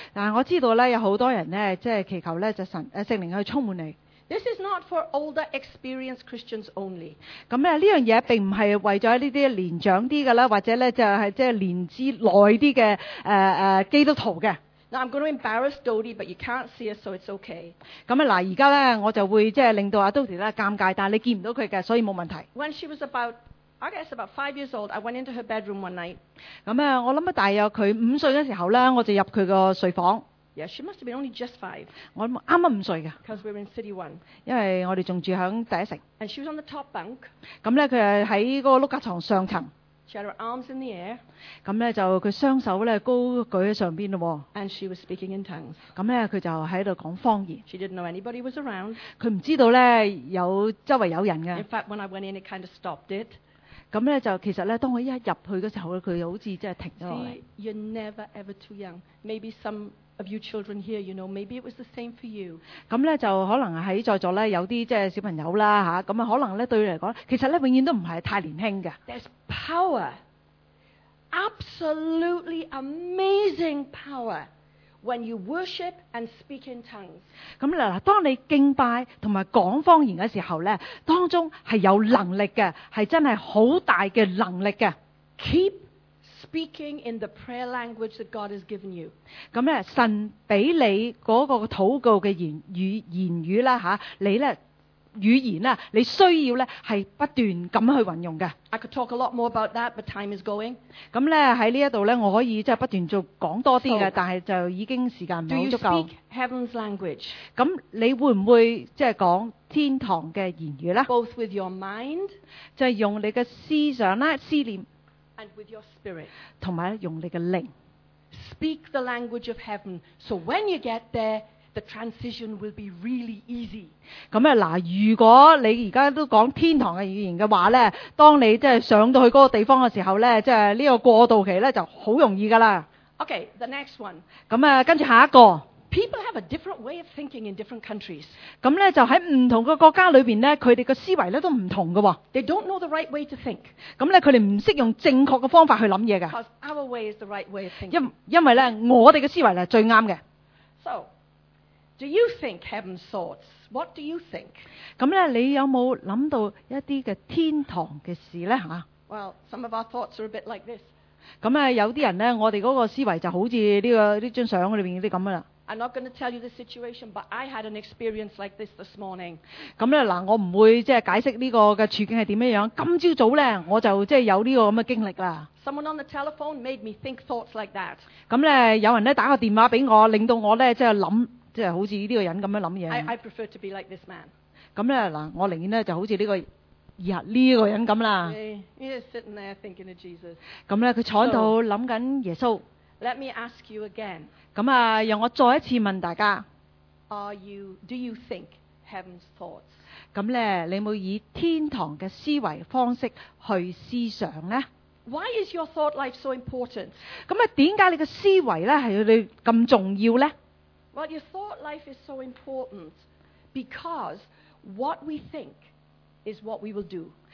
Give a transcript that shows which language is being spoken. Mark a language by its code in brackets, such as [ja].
[yue] 但系我知道咧，有好多人咧，即系祈求咧，就神圣灵去充满你。 [en] This is not for older, experienced Christians only. [yue] 咁咧呢样嘢并唔系为咗呢啲年长啲嘅啦，或者咧就系即系年资耐啲嘅基督徒嘅。 [en] Now I'm going to embarrass Dodie, but you can't see her, so it's okay. [yue] 咁啊嗱，而家咧我就会即系令到阿 Dodie 咧尴尬，但系你见唔到佢嘅，所以冇问题。 [en] When she was about, I guess about 5 years old, I went into her bedroom one night. [yue] 咁啊，我谂啊，大约佢五岁嘅时候咧，我就入佢个睡房。 [en] Yeah, she must have been only just 5. [yue] 我啱啱五歲嘅。 [en] Because we were in City One. [yue] 因為我哋仲住喺第一城。 [en] And she was on the top bunk. [yue] 咁咧，佢係喺嗰個碌架牀上層。 [en] She had her arms in the air. [yue] 咁咧就佢雙手咧高舉喺上邊咯。 [en] And she was speaking in tongues. [yue] 咁咧佢就喺度講方言。 [en] She didn't know anybody was around. [yue] 佢唔知道咧有周圍有人嘅。 [en] In fact, when I went in, it kind of stopped it. [yue] 咁咧就其實咧，當我一入去嗰時候咧，佢好似即係停咗落嚟。 [en] See, you're never ever too young. Maybe some of you children here, you know, maybe it was the same for you. [yue] 咁咧就可能喺在座咧有啲即系小朋友啦吓，咁啊可能咧对你嚟讲，其实咧永远都唔系太年轻嘅。 [en] There's power, absolutely amazing power, when you worship and speak in tongues. [yue] 咁嗱，当你敬拜同埋讲方言嘅时候咧，当中系有能力嘅，系真系好大嘅能力嘅。 [en] Keep. Speaking in the prayer language that God has given you. [yue] 咁咧，神俾你嗰个祷告嘅言语啦吓，你咧語言啊，你需要咧係不斷咁去運用嘅。 [en] I could talk a lot more about that, but time is going. [yue] 咁咧喺呢一度咧，我可以即係不斷做講多啲嘅， so, 但係就已經時間唔係好足夠。 [en] Do you speak heaven's language? [yue] 咁你會唔會即係講天堂嘅言語咧 [en] ？Both with your mind， [yue] 就係用你嘅思想啦、思念 [en] ，and with your spirit， [yue] 同埋用你嘅靈。 [en] Speak the language of heaven, so when you get there. The transition will be really easy. [yue] 咁啊，如果你而家都讲天堂嘅语言嘅话咧，当你即系上到去嗰个地方嘅时候咧，即系呢个过渡期咧就好容易噶啦。 [en] Okay, the next one. [yue] 咁啊，跟住下一个。 [en] People have a different way of thinking in different countries. [yue] 咁咧就喺唔同嘅国家里边咧，佢哋嘅思维咧都唔同噶。 [en] They don't know the right way to think. [yue] 咁咧，佢哋唔识用正确嘅方法去谂嘢噶。 [en] Because our way is the right way of thinking. [yue] 因为咧，我哋嘅思维咧最啱嘅。 [en] So. Do you think heaven's thoughts? What do you think? [yue] 咁咧，你有冇谂到一啲嘅天堂嘅事咧？吓 [en] ？Well, some of our thoughts are a bit like this. [yue] 咁啊，有啲人咧，我哋嗰个思维就好似呢张相里边嗰啲咁噶啦。 [en] I'm not going to tell you the situation, but I had an experience like this morning. [yue] 咁咧，嗱，我唔会即系解释呢个嘅处境系点样样。今朝早咧，我就即系有呢个咁嘅经历啦。 [en] Someone on the telephone made me think thoughts like that. [yue] 咁咧，有人咧打个电话俾我，令到我咧即系谂。即係好似呢個人咁樣諗嘢。 [en] I prefer to be like this man。 [yue] 咁咧嗱，我寧願咧就好似呢個日呢個人咁啦。 [en] He is sitting there thinking of Jesus。 [yue] 咁咧，佢坐喺度諗緊耶穌。 [en] Let me ask you again。 [yue] 咁啊，讓我再一次問大家。 [en] Do you think heaven's thoughts？ [yue] 咁咧，你有冇以天堂嘅思維方式去思想咧？ [en] Why is your thought life so important？ [yue] 咁啊，點解你嘅思維咧係你咁重要咧？ [en] Well, your thought life is so important because what we think is what we will do.